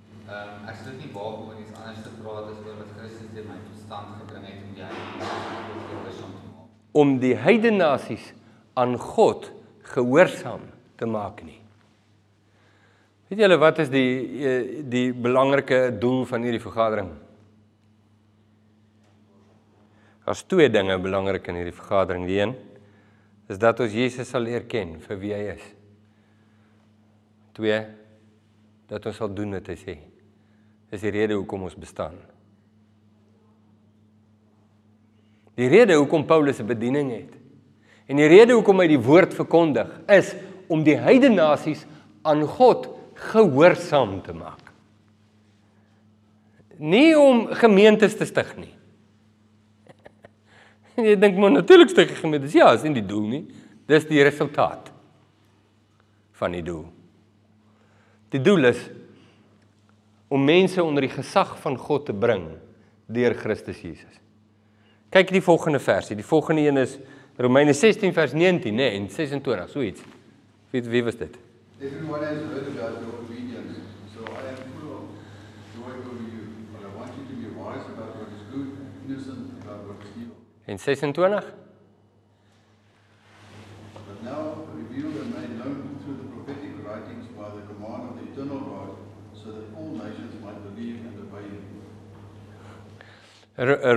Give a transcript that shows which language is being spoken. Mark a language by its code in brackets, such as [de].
[af] Ek sit nie waar om iets anders te praat as oor wat Christus in my toestand gebring het om die heilige te maak. om die heidenasies aan God gehoorzaam te maken. Weet julle wat is die belangrijke doel van hierdie vergadering? Daar is twee dinge belangrijk in hierdie vergadering. Die een is dat ons Jezus sal erken vir wie hy is. Twee, dat ons sal doen wat hy sê. Is die rede hoekom ons bestaan. Die rede hoekom Paulus een bediening het, en die rede hoekom hy die woord verkondig, is om die heidenasies aan God gehoorzaam te maak. Nie om gemeentes te stig nie. Jy denk, maar natuurlijk stig gemeentes, ja, is nie die doel nie. Dis die resultaat van die doel. Die doel is om mense onder die gesag van God te bring deur Christus Jesus. Kyk die volgende versie. Die volgende een is Romeine 16 vers 19 en 26, so iets. Wie was dit? [en] Everyone has heard about your obedience, so I am full of joy over you, but I want you to be wise about what is good and innocent about what is evil. [af] En 26? [en] But now revealed and made known through the prophetic writings by the command of the eternal God, so that all nations might believe and obey you.